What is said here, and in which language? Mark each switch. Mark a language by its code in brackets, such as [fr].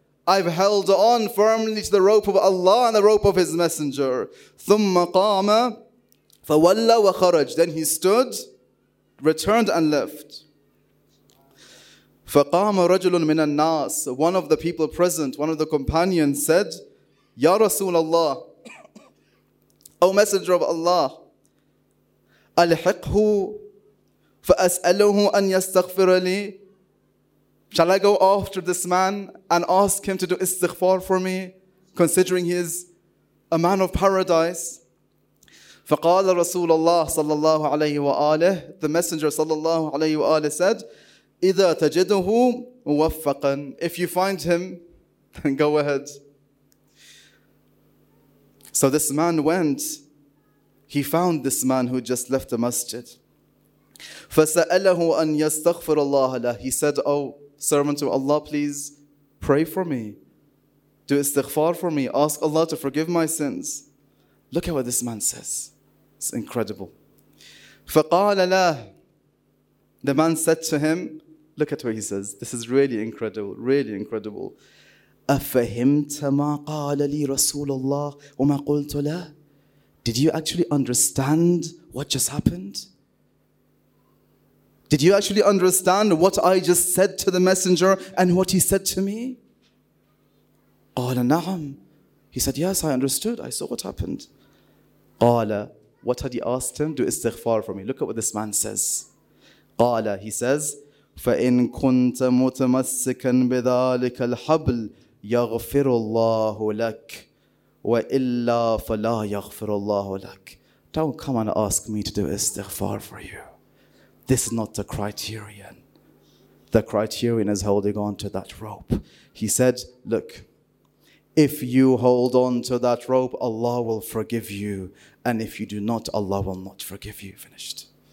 [en] I've held on firmly to the rope of Allah and the rope of his messenger. [ar] ثُمَّ قَامَ فَوَلَّ وَخَرَجْ. [en] Then he stood, returned and left. [ar] فَقَامَ رَجُلٌ مِنَ النَّاسِ. [en] One of the people present, one of the companions said, [ar] يَا رَسُولَ اللَّهِ. [en] O Messenger of Allah, [ar] أَلْحِقْهُ فَأَسْأَلُهُ أَنْ يَسْتَغْفِرَ لِي. [en] Shall I go after this man and ask him to do istighfar for me, considering he is a man of paradise? [ar] فقال رسول الله صلى الله عليه وآله, [en] the messenger [ar] صلى الله عليه وآله [en] said, [ar] إذا تجده موفقا, [en] if you find him, then go ahead. So this man went, he found this man who just left the masjid. [ar] فسأله أن يستغفر الله له. [en] He said, oh, servant of Allah, please pray for me. Do istighfar for me. Ask Allah to forgive my sins. Look at what this man says. It's incredible. [ar] فقال له, [en] the man said to him, look at what he says. This is really incredible, really incredible. [ar] أفهمت ما قال لي رسول الله وما قلت له? [en] Did you actually understand what just happened? Did you actually understand what I just said to the messenger and what he said to me? [ar] قال نعم. [en] He said, yes, I understood. I saw what happened. قال, what had he asked him? Do istighfar for me. Look at what this man says. [ar] قال, [en] he says, [ar] فَإِن كُنْتَ مُتَمَسِّكًا بِذَٰلِكَ الْحَبْلِ يَغْفِرُ اللَّهُ لَكَ وَإِلَّا فَلَا يَغْفِرُ اللَّهُ لَكَ. [en] Don't come and ask me to do istighfar for you. This is not the criterion. The criterion is holding on to that rope. He said, look, if you hold on to that rope, Allah will forgive you. And if you do not, Allah will not forgive you. Finished.